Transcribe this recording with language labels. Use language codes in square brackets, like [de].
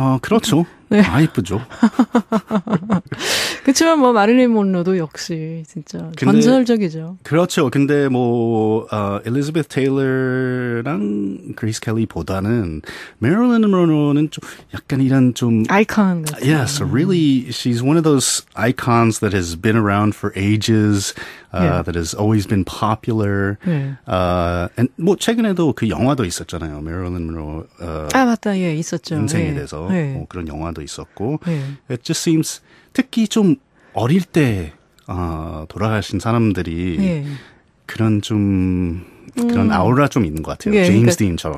[ko] 그렇죠. 네. 다 예쁘죠. 그렇지만 뭐, 마릴린 몬로도 역시, 진짜, 전설적이죠. 그렇죠. 근데 뭐, 엘리자베스 테일러랑 그레이스 켈리보다는, 마릴린 몬로는 좀, 약간 이런 좀, 아이콘 같은. [en] Yes, really, she's one of those icons that has been around for ages, yeah. that has always been popular. Yeah. [ko] And 뭐, 최근에도 그 영화도 있었잖아요. 마릴린 몬로. 맞다. 예, 있었죠. 인생에 예. 대해서. 예. 뭐 그런 영화도 있었고. 예. [en] It just seems, [ko] 특히 좀 어릴 때 돌아가신 사람들이 예. 그런 좀 그런 아우라 좀 있는 것 같아요. 예, 제임스 그러니까, 딘처럼.